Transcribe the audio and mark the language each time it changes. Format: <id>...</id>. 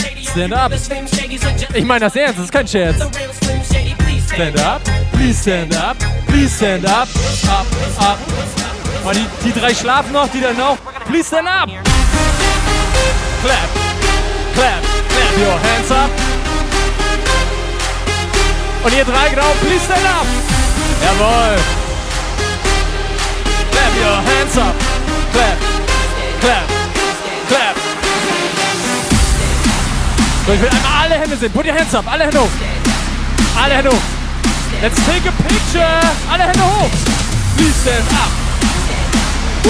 <en>Stand up.</en> <de>Ich meine das ernst, das ist kein Scherz.</de> <en>Stand up, please stand up, please stand up, up, up.</en> <de>Und die drei schlafen noch, die dann noch.</de> <en>Please stand up. Clap, clap, clap your hands up.</en> <de>Und ihr drei genau,</de> <en>please stand up.</en> <de>Jawohl.</de> <en>Clap your hands up. Clap, clap, clap.</en> <de>So, ich will einmal alle Hände sehen.</de> <en>Put your hands up.</en> <de>Alle Hände hoch.</de> <en>Alle Hände hoch. Let's take a picture. Alle Hände hoch. Please stand up. Woo.</en>